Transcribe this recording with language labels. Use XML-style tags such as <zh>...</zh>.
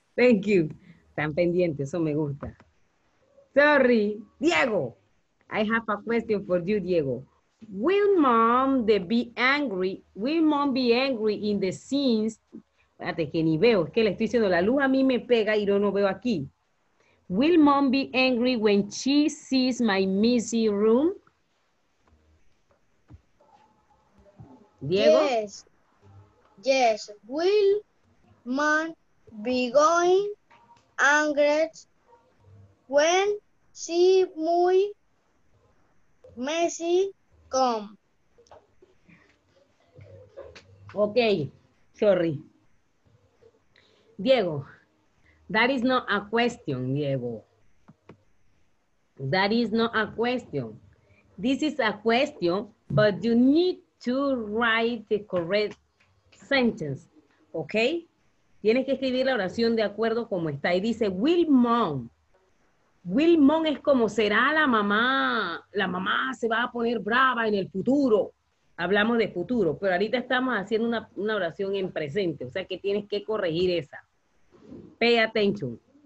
<en>Thank you.</en> <es>Están pendientes, eso me gusta.</es> <en>Sorry,</en> <es>Diego.</es> <en>I have a question for you, Diego. Will mom be angry? Will mom be angry in the scenes?</en> <es>Espérate, que ni veo. Es que le estoy diciendo, la luz a mí me pega y yo no veo aquí.</es> <en>Will mom be angry when she sees my messy room? Diego? Yes. Yes. Will mom be going angry when she muy messy come? Okay. Sorry. Diego, that is not a question, Diego. That is not a question. This is a question, but you need to write the correct sentence, okay?</en> <es>Tienes que escribir la oración de acuerdo como está. Y dice,</es> <en>will mom. Will mom</en> <es>es como será la mamá. La mamá se va a poner brava en el futuro. Hablamos de futuro, pero ahorita estamos haciendo una oración en presente. O sea que tienes que corregir esa.</es> <en>Pay attention.</en>